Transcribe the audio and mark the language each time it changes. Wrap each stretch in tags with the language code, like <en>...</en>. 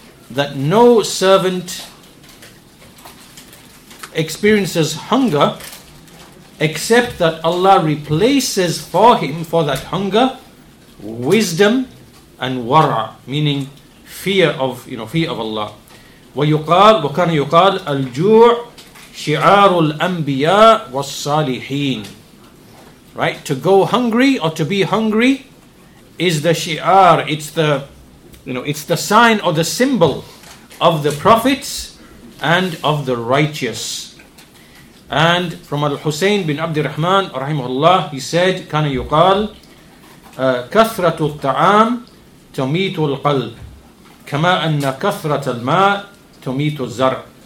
<en>That no servant experiences hunger except that Allah replaces for him, for that hunger, wisdom and wara, meaning fear of Allah.</en> <ar>وكان يقال الجوع شعار الأنبياء والصالحين.</ar> <en>Right? To go hungry or to be hungry is the shi'ar, it's the sign or the symbol of the prophets and of the righteous. And from Al-Husayn bin Abdirrahman, rahimahullah, he said,</en> <ar>كَانَ يُقَالْ كَثْرَةُ الطَّعَامِ تُمِيتُ الْقَلْبِ كَمَا أَنَّ كَثْرَةَ الْمَاءِ تُمِيتُ الزَّرْءِ.</ar>